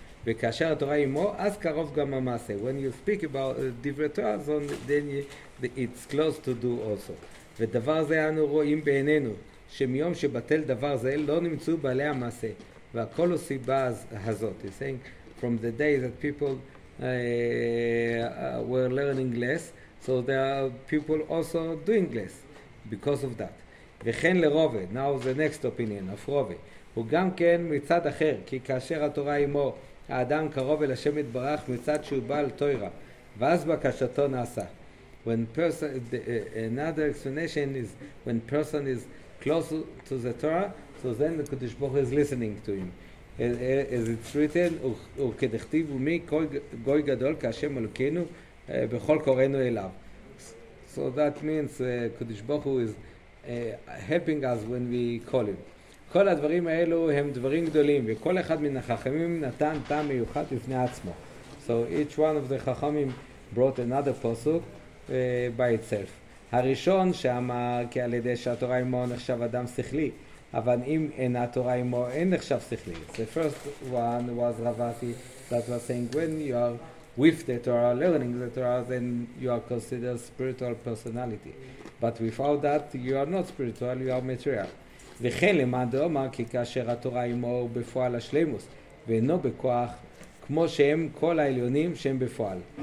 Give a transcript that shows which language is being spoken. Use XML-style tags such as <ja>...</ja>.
<he>וכאשר התורה עמו, אז קרוב גם המעשה.</he> <en>When you speak about דברי תורה, then it's close to do also.</en> <he>ודבר זה אנו רואים בעינינו, שמיום שבטל דבר זה, לא נמצאו בעלי המעשה. והכל הוא סיבה הזאת.</he> <en>He's saying, from the day that people were learning less, so there are people also doing less, because of that.</en> <he>וכן לרובה,</he> <en>now the next opinion of</en> <he>רובה, הוא גם כן מצד אחר, כי כאשר התורה עמו, האדם קרוב אל השם יתברך מצד שהוא בעל תוירה, ואז בקשתו נעשה.</he> <en>When person, another explanation is, when person is close to the Torah, so then the Kodesh Baruch is listening to him. As it's written,</en> <he>וכדכתיב ומי גוי גדול כאשם אלוקינו, בכל קוראינו אליו.</he> <en>So that means Kodesh Baruch Hu is helping us when we call him.</en> <he>כל הדברים האלו הם דברים גדולים, וכל אחד מן החכמים נתן טעם מיוחד לפני עצמו.</he> <en>So each one of the חכמים brought another פסוק by itself.</en> <he>הראשון שאמר כי על ידי שהתורה עמו נחשב אדם שכלי, אבל אם אין התורה עמו אין נחשב שכלי.</he> <en>The first one was Ravati that was saying when you are with the Torah, learning the Torah, then you are considered spiritual personality. But without that you are not spiritual, you are material.</en> <he>וכן למען דאמר כי כאשר התורה עמו הוא בפועל השלמוס ואינו בכוח כמו שהם כל העליונים שהם בפועל.</he>